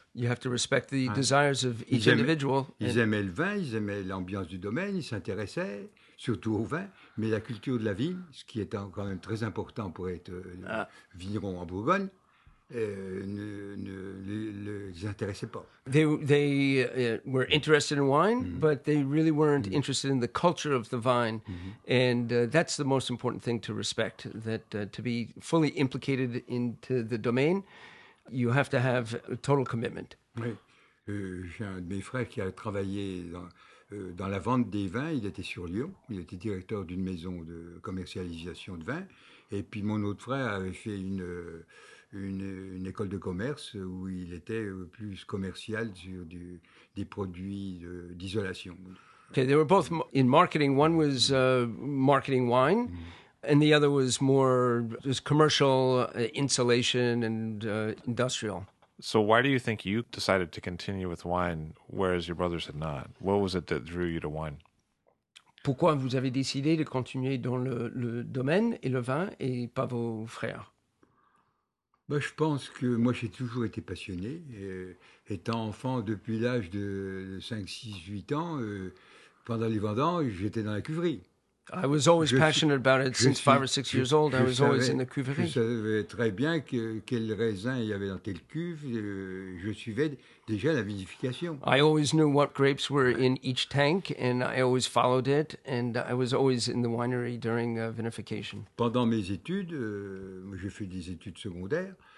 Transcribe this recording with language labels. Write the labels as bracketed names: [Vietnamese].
[English] You have to respect the desires of each individual. [French] Ils aimaient le vin, ils aimaient l'ambiance du domaine, ils s'intéressaient surtout au vin, mais la culture de la vigne, ce qui est quand même très important pour être vigneron en Bourgogne, ne les intéressait pas. [English] They were interested in wine, but they really weren't interested in the culture of the vine. And that's the most important thing to respect, that to be fully implicated into the domain, you have to have a total commitment. [French] Oui. J'ai un de mes frères qui a travaillé dans la vente des vins. Il était sur Lyon. Il était directeur d'une maison de commercialisation de vins. Et puis mon autre frère avait fait une école de commerce où il était plus commercial sur des produits d'isolation. [English] Okay, they were both in marketing. One was marketing wine, and the other was more just commercial insulation and industrial. So why do you think you decided to continue with wine, whereas your brothers had not? What was it that drew you to wine? [French] Pourquoi vous avez décidé de continuer dans le domaine et le vin et pas vos frères? Ben, je pense que moi, j'ai toujours été passionné. Étant enfant depuis l'âge de 5, 6, 8 ans, pendant les vendanges, j'étais dans la cuverie. [English] I was always passionate about it since 5 or 6 years old. I was always in the cuverie. [French] Je savais très bien quel raisin il y avait dans telle cuve. Je suivais déjà la vinification. [English] I always knew what grapes were in each tank, and I always followed it. And I was always in the winery during vinification. [French] Pendant mes études, j'ai fait des études secondaires.